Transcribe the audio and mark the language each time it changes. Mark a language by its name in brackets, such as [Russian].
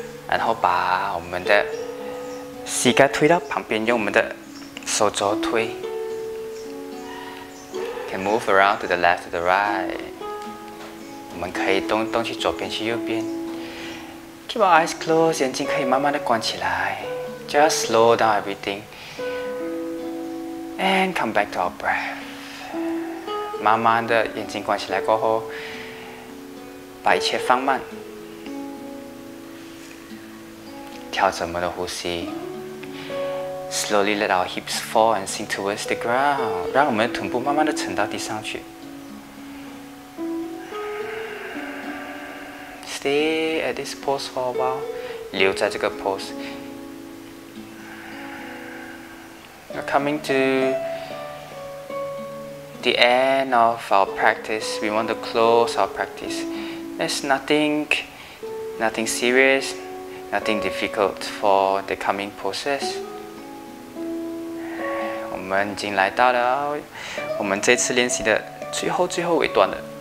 [Chinese] 然后把我们的膝盖推到旁边，用我们的手肘推. [English] Can move around to the left, to the right. [Chinese] 我们可以动动去左边，去右边. [English] Keep our eyes closed, [Chinese] 眼睛可以慢慢的关起来. [English] Just slow down everything. And come back to our breath. [Chinese] 慢慢的眼睛关起来过后, 把一切放慢. 调整我们的呼吸, [English] slowly let our hips fall and sink towards the ground, [Chinese] 让我们的臀部慢慢地沉到地上去. [English] Stay at this pose for a while, [Chinese] 留在这个 [English] pose. We're coming to the end of our practice. We want to close our practice. There's nothing serious, nothing difficult for the coming process. [Chinese] 我们已经来到了我们这次练习的最后尾段了.